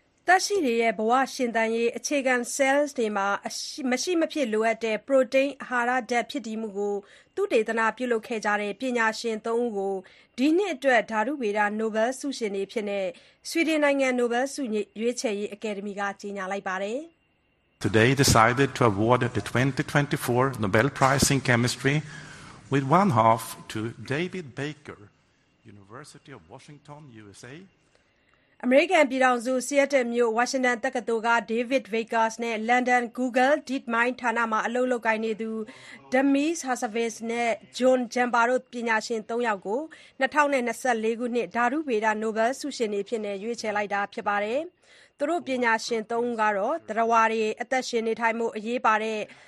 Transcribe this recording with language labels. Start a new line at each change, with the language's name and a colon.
Burmese: သက်ရှိတွေရဲ့ဘဝရှင်သန်ရေးအခြေခံ cells တွေမှာမရှိမဖြစ်လိုအပ်တဲ့ protein အာဟာရဓာတ်ဖြစ်တည်မှုကိုသုတေသနပြုလုပ်ခဲ့ကြတဲ့ပညာရှင်၃ဦးကိုဒီနှစ်အတွက်ဓာတုဗေဒ Nobel ဆုရှင်တွေဖြစ်တဲ့ Sweden နိုင်ငံ Nobel ဆုရွေးချယ်ရေး Academy ကကြေညာလိုက်ပါတယ်
English: ။ Today decided to award the 2024 Nobel Prize in Chemistry with one half to David Baker, University of Washington, USA.
Burmese: အမေရိကန်ပြည်ထောင်စုဆီယက်တယ်မြို့ဝါရှင်တန်တက္ကသိုလ်ကဒေးဗစ်ဗေကာစ်နဲ့လန်ဒန် Google DeepMind ဌာနမှာအလုပ်လုပ်ကိုင်နေသူဒမီးဟာဆာဗင်းစ်နဲ့ဂျွန်ဂျမ်ပါတို့ပညာရှင်၃ယောက်ကို2024ခုနှစ်ဓာတုဗေဒနိုဘယ်ဆုရှင်နေဖြစ်နေရွေးချယ်လိုက်တာဖြစ်ပါတယ်။သူတို့ပညာရှင်၃ဦးကတော့သရဝါရီအသက်ရှင်နေထိုင်မှုအရေးပါတဲ့